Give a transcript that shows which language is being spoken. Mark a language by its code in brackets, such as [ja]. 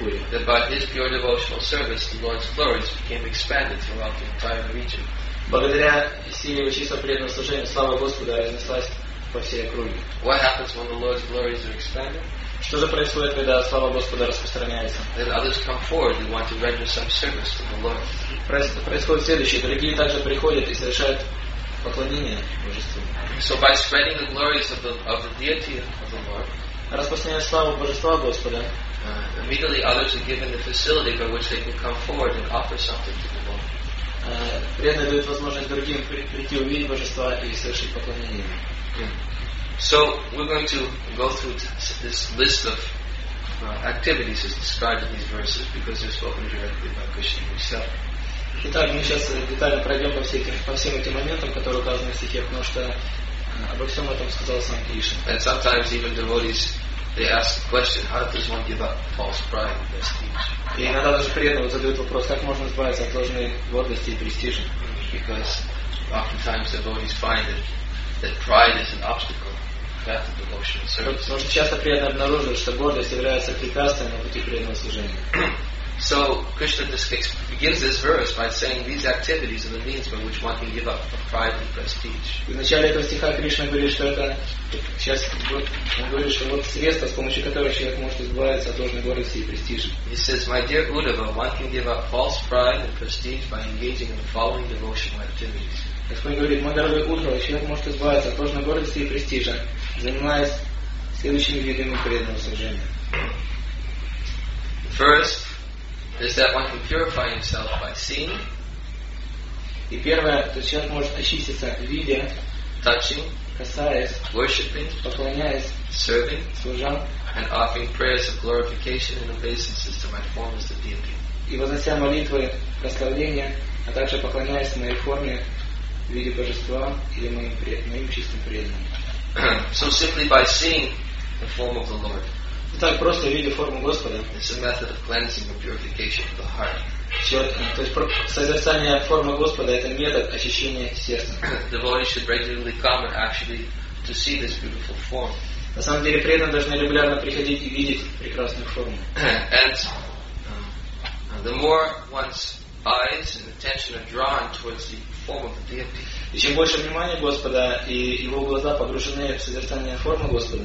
[en] That by his pure devotional service, the Lord's glories became expanded throughout the entire region. [ru] Благодаря силе его чисто преданного служения, слава Господа разнеслась по всей округе. [en] What happens when the Lord's glories are expanded? [ru] Что же происходит, когда слава Господа распространяется? [en] Then others come forward and want to render some service to the Lord. [ru] Происходит следующее: другие также приходят и совершают поклонение Божеству. [en] So by spreading the glories of the deity of the Lord. [ru] Распространяя славу Божества Господа. [en] Immediately others are given the facility by which they can come forward and offer something to the Lord. [ru] Преданные дают возможность другим прийти увидеть Божества и совершить поклонение. [en] So we're going to go through this list of activities as described in these verses because they're spoken directly by Krishna himself. [ru] Итак, мы сейчас детально пройдем по всем этим моментам, которые указаны в стихе, потому что обо всем этом сказал сам Кришна. [en] And sometimes even devotees they ask the question, how does one give up false pride and prestige? [ru] И иногда даже преданные задают вопрос, как можно избавиться от ложной гордости и престижа? [en] Because oftentimes devotees find that pride is an obstacle to the path of devotional service. [ru] Потому что часто преданные обнаруживают, что гордость является препятствием на пути преданного служения. [en] So Krishna begins this verse by saying these activities are the means by which one can give up the pride and prestige. [ru] В начале этого стиха Кришна говорит, что это сейчас он говорит, что вот средство, с помощью которого человек может избавиться от ложной гордости и престижа. [en] He says, my dear Uddhava, one can give up false pride and prestige by engaging in the following devotional activities. [ru] Господь говорит, мой дорогой Уддхава, человек может избавиться от ложной гордости и престижа, занимаясь следующими видами преданного служения. [en] First is that one can purify himself by seeing. [ru] И первое, то есть человек может очиститься, видя, [en] touching, [ru] касаясь, [en] worshipping, [ru] поклоняясь, [en] serving, [ru] служа, [en] and offering prayers of glorification and obeisances to my form as the deity. [ru] И вознося молитвы, прославления, а также поклоняясь моей форме в виде божества или моим чистым преданным. [en] So simply by seeing the form of the Lord. [ru] Так просто видя форму Господа. [en] It's a method of cleansing and purification of the heart. [ru] То есть созерцание формы Господа это метод очищения сердца. [en] Devotees should regularly come and actually to see this beautiful form. [ru] На самом деле преданные должны регулярно приходить и видеть прекрасную форму. [en] And the more one's eyes and attention are drawn towards the form of the deity, [ru] и чем больше внимания Господа и его глаза погружены в созерцание формы Господа,